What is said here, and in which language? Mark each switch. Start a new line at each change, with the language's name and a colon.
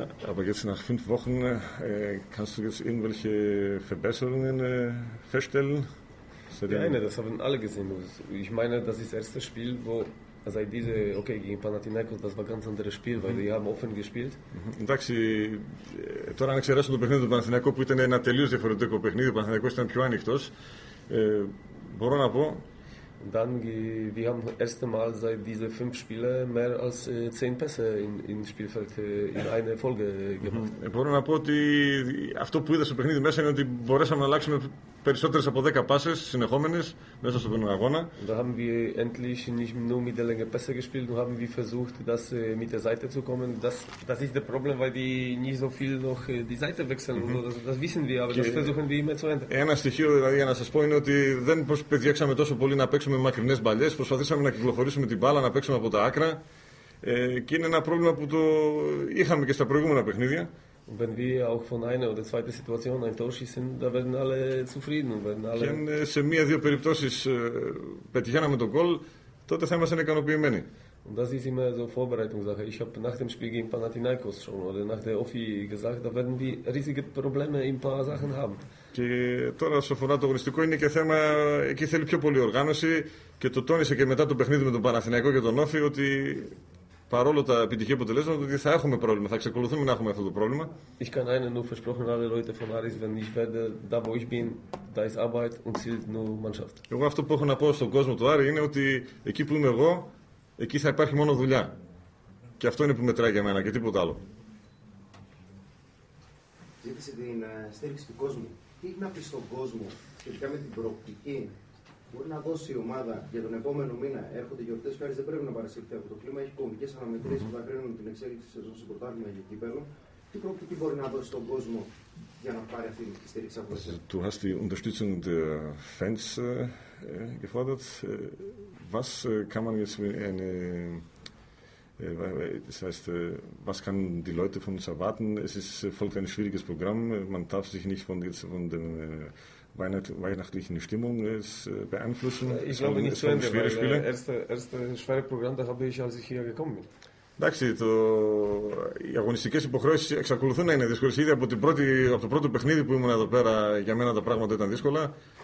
German: Aber jetzt nach fünf Wochen kannst du jetzt irgendwelche Verbesserungen feststellen? Nein, das haben alle gesehen. Ich meine, das ist das erste Spiel, wo seit diese okay gegen Panathinaikos, das war ein ganz anderes Spiel, weil die haben offen gespielt.
Greek: Εντάξει, τώρα αν ξέρεις το παιχνίδι του Παναθηναϊκού που ήταν ένα τελείως διαφορετικό παιχνίδι, ο Παναθηναϊκός ήταν πιο άνοιχτος. Μπορώ να πω.
German: Dann wir haben das erste Mal seit diese fünf Spiele mehr als 10 Pässe in Spielfeld in eine Folge gemacht.
Greek: Μπορώ να πω ότι αυτό που είδα στο παιχνίδι μέσα είναι ότι μπορέσαμε να αλλάξουμε περισσότερες από 10 πάσες συνεχόμενες μέσα στον αγώνα.
German: Da haben wir endlich nicht nur mit der Länge Pässe gespielt, nur haben wir versucht, das mit der Seite zu kommen. Das ist das Problem, weil die nicht so viel noch die Seite wechseln. Das wissen wir, aber das versuchen wir immer zu ändern.
Greek: Ένα στοιχείο για να σας πω είναι ότι δεν προσπαθήσαμε τόσο πολύ να παίξουμε μακρινές μπαλιές, προσπαθήσαμε να κυκλοφορήσουμε την μπάλα, να παίξουμε από τα άκρα. Και είναι ένα πρόβλημα που το είχαμε και στα προηγούμενα παιχνίδια.
German: Wenn wir auch von einer oder zweiten Situation ein Tor schießen, da werden alle zufrieden. Werden alle...
Greek: Και αν σε μία-δύο περιπτώσεις πετυχαίναμε τον goal, τότε θα είμαστε ικανοποιημένοι.
German: Und das ist immer so Vorbereitungssache. Ich habe nach dem Spiel gegen Panathinaikos schon oder nach der Offi gesagt, da werden wir riesige Probleme in ein paar Sachen haben.
Greek: Και τώρα, όσο αφορά το αγωνιστικό, είναι και θέμα, εκεί θέλει πιο πολύ οργάνωση και το τόνισε και μετά το παιχνίδι με τον Παναθηναϊκό και τον Όφη ότι παρόλο τα επιτυχή αποτελέσματα, ότι θα έχουμε πρόβλημα, θα ξεκολουθούμε να έχουμε αυτό το πρόβλημα.
German: Ich kann einen nur versprochen, alle Leute von Aris, wenn ich werde, da wo ich bin, da ist Arbeit und zählt nur Mannschaft.
Greek: Εγώ αυτό που έχω να πω στον κόσμο του Άρη είναι ότι εκεί που είμαι εγώ, εκεί θα υπάρχει μόνο δουλειά. Και αυτό είναι που μετράει για μένα και τίποτα άλλο. Ζήτησε την στήριξη του κόσμου. Τι να πει στον κόσμο σχετικά με την προοπτική μπορεί να δώσει η ομάδα για τον επόμενο μήνα. Έρχονται γιορτές, χάρη δεν πρέπει να παρασυρθεί από το κλίμα. Έχει κομβικές αναμετρήσεις που θα κρίνουν την εξέλιξη σε ζώση πρωτάθλημα για κύπελο. Τι πρόκειται μπορεί να δώσει στον κόσμο για να πάρει αυτή τη στήριξη από εσά.
German: Του hast die Unterstützung der Fans gefordert. Was kann man jetzt mit eine. Das heißt, was kann die Leute von uns erwarten? Es ist folgt ein schwieriges Programm. Man darf sich nicht von jetzt von der weihnachtlichen Stimmung beeinflussen. Ich glaube nicht so einfach. Schwere Spiele. Erste schwere Programm, da habe ich, als ich hier gekommen bin.
Greek: Εντάξει, οι αγωνιστικές υποχρεώσεις εξακολουθούν να είναι δύσκολες. Ήδη από το πρώτο παιχνίδι που ήμουν εδώ πέρα, για μένα τα πράγματα ήταν δύσκολα.